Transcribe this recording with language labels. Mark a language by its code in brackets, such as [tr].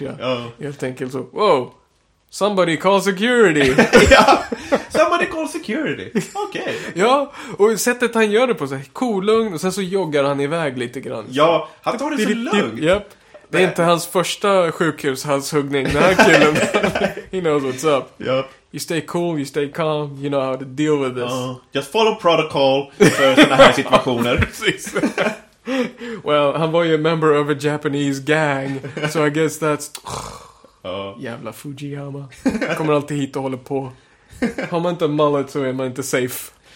[sv] Ja. Helt enkelt så... [en] Wow! Somebody call security! Somebody call security! Okej. Okay. [sv] Ja, och sättet han gör det på så här, kolugn, och sen så joggar han iväg lite grann. Ja, han tar det så lugnt. Japp. Det är inte hans första sjukhushalshuggning, den här killen. [en] He knows what's up. Yep. You stay cool, you stay calm, you know how to deal with this. Just follow protocol [sv] för sådana här situationer. Precis. [en] Well, [sv] han var ju [en] a member of a Japanese gang, so I guess that's... [sv] Jävla Fujiyama. Kommer alltid hit och håller på. Har man inte en mullet så är man inte safe.